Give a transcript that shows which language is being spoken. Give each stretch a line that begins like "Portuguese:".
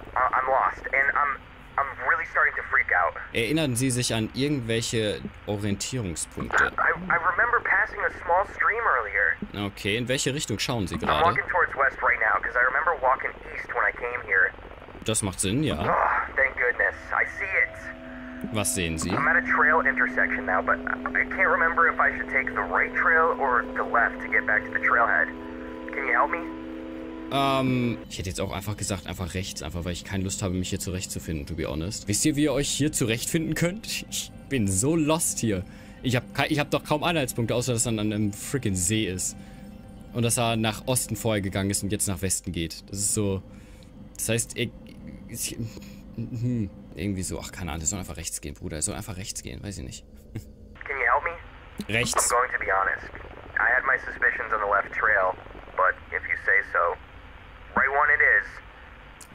English: I'm lost and I'm really starting to freak out.
German: Erinnern Sie sich an irgendwelche Orientierungspunkte?
English: I remember passing a small stream earlier.
German: Okay, in welche Richtung schauen Sie gerade?
English: I'm walking towards west right now, because I remember walking east when I came here.
German: Das macht Sinn, ja.
English: Oh, thank goodness. I see it.
German: Was sehen Sie?
English: I'm at a trail intersection now, but I can't remember if I should take the right trail or the left to get back to the trailhead. Can you help me?
German: Ich hätte jetzt auch einfach gesagt, einfach rechts, einfach weil ich keine Lust habe, mich hier zurechtzufinden,
English: to be honest.
German: Wisst ihr, wie ihr euch hier zurechtfinden könnt? Ich bin so lost hier. Ich hab doch kaum Anhaltspunkte, außer dass er an einem freaking See ist. Und dass er nach Osten vorher gegangen ist und jetzt nach Westen geht. Das ist so... Das heißt, irgendwie so, ach, keine Ahnung, er soll einfach rechts gehen, Bruder. Er soll einfach rechts gehen, weiß ich nicht.
English: Can you help me?
German: Rechts.
English: I'm going to be honest. I had my suspicions on the left trail, but if you say so... Right one it is.